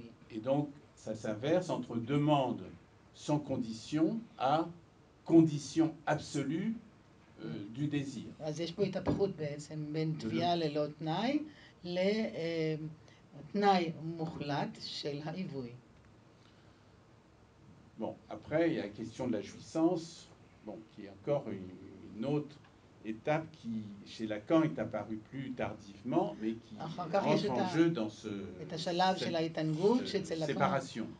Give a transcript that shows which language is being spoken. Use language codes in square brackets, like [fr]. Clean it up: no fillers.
[fr] Et donc, ça s'inverse entre demande sans condition à condition absolue du désir. [he] אז יש פה התהפכות בעצם בין תביעה ללא תנאי לתנאי מוחלט של העיווי. [fr] Bon, après, il y a la question de la jouissance, bon, qui est encore une autre étape qui, chez Lacan, est apparue plus tardivement, mais qui rentre en jeu dans cette séparation.